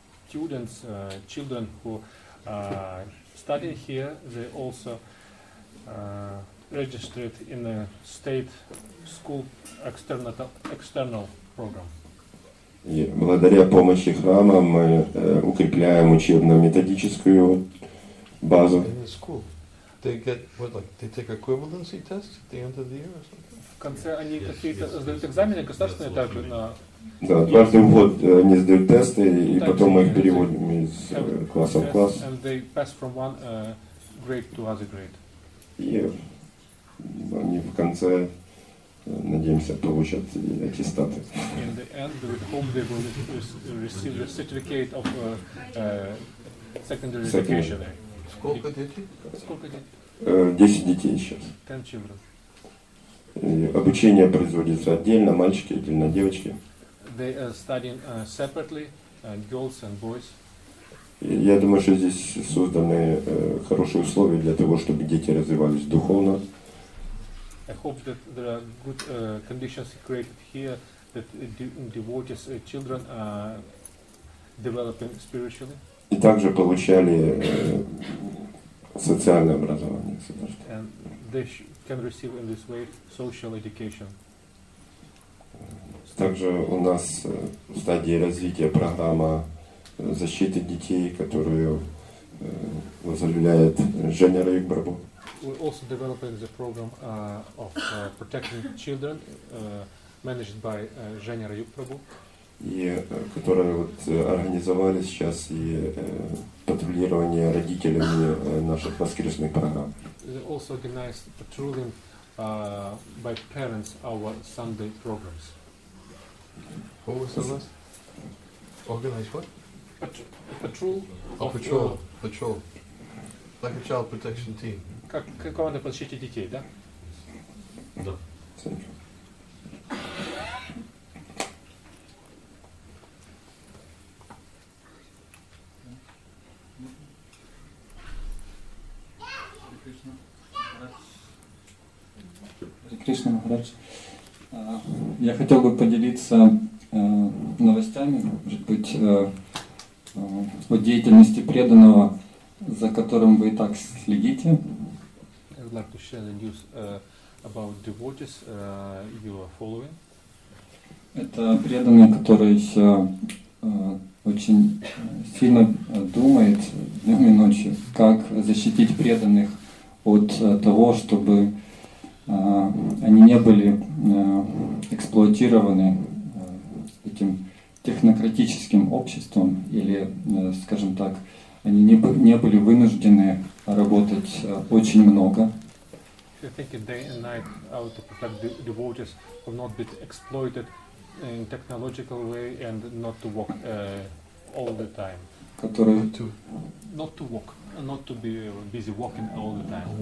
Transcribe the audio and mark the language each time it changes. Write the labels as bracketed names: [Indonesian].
[English] Students, children who study here, they also registered in a state school external program. [Russian] И благодаря помощи храма мы укрепляем учебно-методическую базу. [English] They get what, like they take equivalency tests at the end of the year or something? [Russian] В конце они какие-то сдают экзамены государственные также на. Да, дважды в год они сдают тесты, и потом мы их переводим из класса в класс. [English] And they pass from one grade to other grade. [Russian] И они в конце, надеемся, получат аттестаты. [English] In the end, we hope they will receive the certificate of secondary education. [Russian] Сколько детей? 10 детей сейчас. [English] 10 children. [Russian] Обучение производится отдельно, мальчики, отдельно девочки. [English] They are studying separately, girls and boys. [Russian] Я думаю, что здесь созданы хорошие условия для того, чтобы дети развивались духовно. [English] I hope that there are good conditions created here, that devotees, children are developing spiritually. [Russian] И также получали социальное образование. [English] And they can receive in this way social education. [Russian] Также у нас в стадии развития программа защиты детей, которую возглавляет Женя Раик Прабху. [English] We're also developing the program of protecting children, managed by Женя Раик Прабху. [Russian] и которые вот организовали сейчас и патрулирование родителями наших воскресных программ. [English] They also organized patrolling by parents our Sunday programs. Who was the last? Organized what? Patrol. Oh, patrol. Patrol. Like a child protection team. [Russian] Как команда по защите детей, да? Да. Кришна Махарадж, я хотел бы поделиться новостями, может быть, о деятельности преданного, за которым вы и так следите. [English] I would like to share the news about devotees you are following. [Russian] Это преданный, который очень сильно думает днем и ночью, как защитить преданных от того, чтобы они не были эксплуатированы этим технократическим обществом, или, скажем так, они не были вынуждены работать очень много. [English] If you think day and night how to protect the devotees from not being exploited in technological way and not to work all the time. [Russian] Которые... [English] Not to work, not to be busy working all the time.